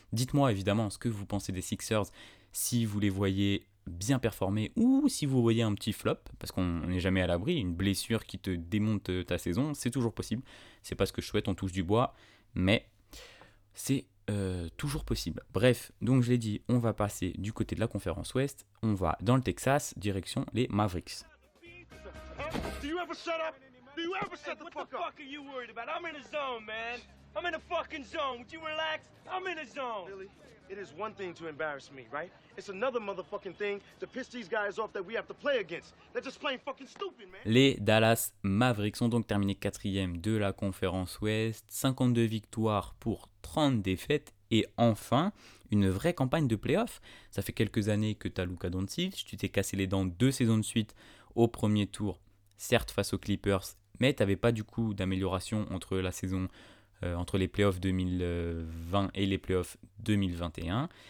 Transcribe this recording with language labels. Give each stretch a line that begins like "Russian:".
French: Dites-moi évidemment ce que vous pensez des Sixers, si vous les voyez bien performer ou si vous voyez un petit flop, parce qu'on n'est jamais à l'abri, une blessure qui te démonte ta saison, c'est toujours possible. C'est pas ce que je souhaite, on touche du bois, mais c'est toujours possible. Bref, donc je l'ai dit, on va passer du côté de la conférence Ouest, on va dans le Texas, direction les Mavericks.
English: Do you ever shut the fuck up? What the fuck are you worried about? I'm in a zone, man. I'm in a fucking zone. Would you relax? I'm in a zone. Billy, it is one thing to embarrass me, right? It's another motherfucking thing to piss these guys off that we have to play against. They're just plain fucking stupid, man.
French: Les Dallas Mavericks ont donc terminé 4e de la conférence Ouest, 52 victoires pour 30 défaites. Et enfin, une vraie campagne de playoff. Ça fait quelques années que t'as Luka Doncic, tu t'es cassé les dents deux saisons de suite au premier tour. Certes face aux Clippers, mais tu n'avais pas du coup d'amélioration entre la saison, entre les playoffs 2020 et les playoffs 2021.